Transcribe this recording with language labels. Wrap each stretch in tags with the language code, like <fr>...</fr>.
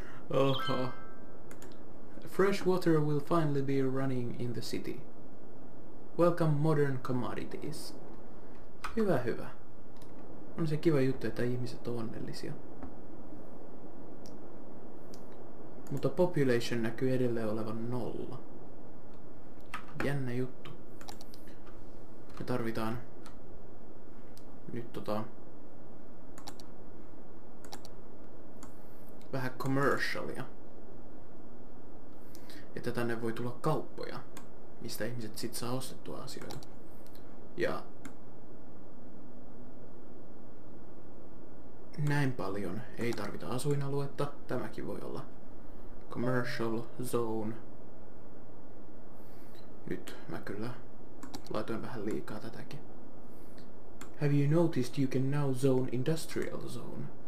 <fi>Oho.</fi> <en>Fresh water will finally be running in the city. Welcome modern commodities.</en> <fi>Hyvä, hyvä. On se kiva juttu, että ihmiset on onnellisia. Mutta population näkyy edelleen olevan 0. Jännä juttu. Me tarvitaan nyt vähän commercialia. Että tänne voi tulla kauppoja, mistä ihmiset sit saa ostettua asioita. Ja näin paljon ei tarvita asuinaluetta. Tämäkin voi olla commercial zone. Nyt mä kyllä laitoin vähän liikaa tätäkin.</fi> <en>Have you noticed you can now zone industrial zone?</en>